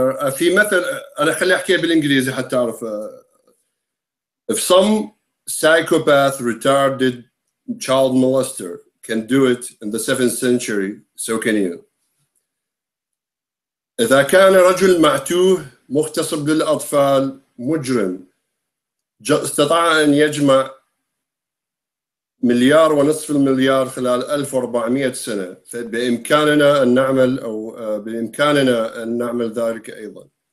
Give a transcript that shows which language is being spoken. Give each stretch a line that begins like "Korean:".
Arabic: في مثل أنا خلي أحكيه بالإنجليزي حتى أعرف.
English: If some psychopath retarded child molester can do it in the 7th century, so can you.
Arabic: إذا كان رجل معتوه مغتصب للأطفال مجرم استطاع أن يجمع مليار ونصف المليار خلال 1400 سنة، فبإمكاننا أن نعمل أو بإمكاننا أن نعمل ذلك أيضا.